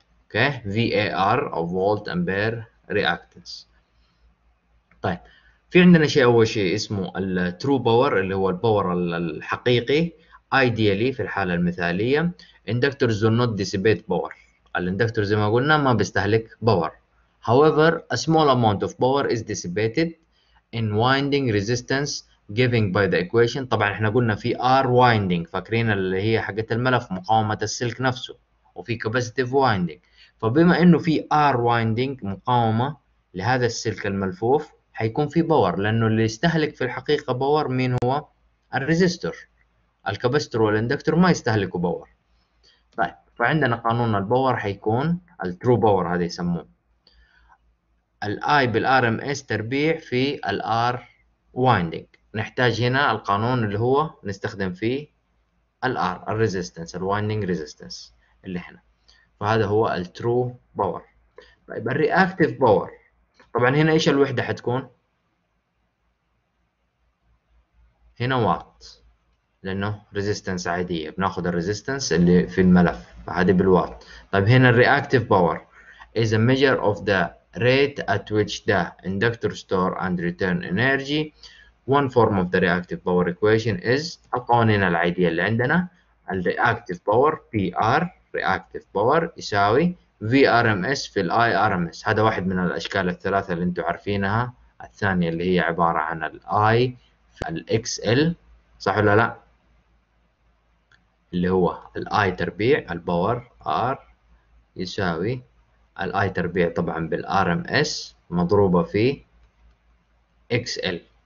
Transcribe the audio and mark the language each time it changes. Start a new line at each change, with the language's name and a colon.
English: Okay, V A R or volt ampere reactance.
Arabic: طيب في عندنا شيء، اول شيء اسمه الترو باور اللي هو الباور الحقيقي. ايديالي في الحاله المثاليه
English: inductors do not dissipate power,
Arabic: الاندكتور زي ما قلنا ما بيستهلك باور.
English: However, a small amount of power is dissipated in winding resistance given by the equation.
Arabic: طبعا احنا قلنا في R winding، فاكرين اللي هي حقت الملف مقاومة السلك نفسه، وفي capacitive winding. فبما انه في R winding مقاومة لهذا السلك الملفوف، حيكون في باور، لانه اللي يستهلك في الحقيقة باور مين هو؟ الريزيستور. الكابستور والاندكتور ما يستهلكوا باور. طيب فعندنا قانون الباور حيكون الترو باور، هذا يسموه الاي بالار ام اس تربيع في الار وايندينج. نحتاج هنا القانون اللي هو نستخدم فيه الار الريزيستنس، الوايندينج ريزيستنس اللي هنا، فهذا هو الترو باور. طيب الرياكتيف باور طبعا هنا ايش الوحده حتكون؟ هنا وات، لانه ريزيستنس عاديه بناخذ الريزيستنس اللي في الملف هذا بالوات. طيب هنا
English: الرياكتيف power is a measure of the rate at which the inductor store and return energy. One form of the reactive power equation is
Arabic: القوانين العادية اللي عندنا. الرياكتيف باور PR reactive power يساوي VRMS في الIRMS. هذا واحد من الأشكال الثلاثة اللي انتو عارفينها. الثانية اللي هي عبارة عن الI في الXL، صح ولا لا؟ اللي هو الI تربيع الباور، R يساوي الI تربيع طبعا بالRMS مضروبة في XL.